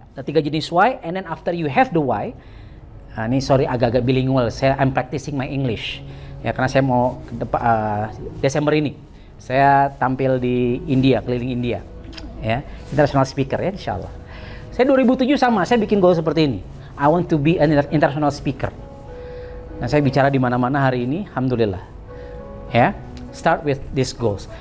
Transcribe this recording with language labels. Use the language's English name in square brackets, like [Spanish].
[Indonesian] Ada tiga jenis [English] why, and then after you have the why. [Indonesian] Nah, ini sorry agak-agak bilingual, [English] I'm practicing my English. [Indonesian] Ya, karena saya mau ke depan, Desember ini, saya tampil di India, keliling India. Ya, international speaker ya, insya Allah. Saya 2007 sama, saya bikin goal seperti ini. [English] I want to be an international speaker. [Indonesian] Nah, saya bicara di mana-mana hari ini, [English] alhamdulillah. Ya, start with these goals.